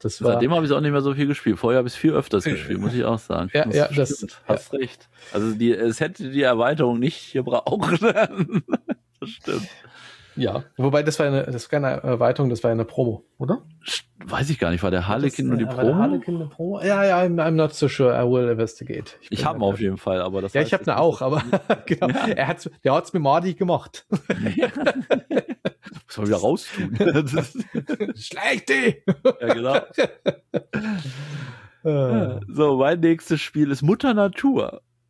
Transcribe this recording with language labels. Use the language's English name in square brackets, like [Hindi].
[German] Seitdem habe ich auch nicht mehr so viel gespielt. Vorher habe ich es viel öfters gespielt, muss ich auch sagen. Hast recht. Also es hätte die Erweiterung nicht gebraucht. Das stimmt. Ja, wobei das war keine Erweiterung, das war eine Promo, oder? Weiß ich gar nicht, war der Harlequin nur die Promo? [English] Ja, I'm not so sure, I will investigate. [German] Ich habe ihn auf jeden Fall, aber das ja, heißt, ich habe ihn auch, aber genau, ja. Der hat es mir mordig gemacht. Ja. Muss man wieder raustun. Schlechte! Ja, genau. So, mein nächstes Spiel ist Mutter Natur.